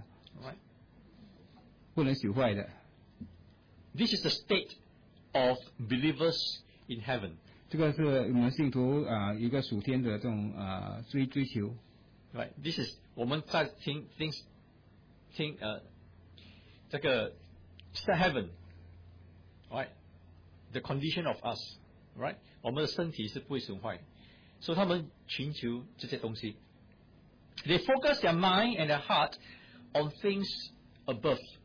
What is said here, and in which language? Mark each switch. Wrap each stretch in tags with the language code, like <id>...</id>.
<zh>但他们是寻求这个不能朽坏的。</zh> <en>This is the state of believers in heaven.</en> <zh>这个是我们信徒一个属天的这种追求。</zh> <en>Right, this is</en> <zh>我们在听这个</zh> <en>heaven, right? The condition of us, right?</en> <zh>我们的身体是不会损坏,</zh> <en>so</en> <zh>他们寻求这些东西,</zh> <en>they focus their mind and their heart on things above.</en>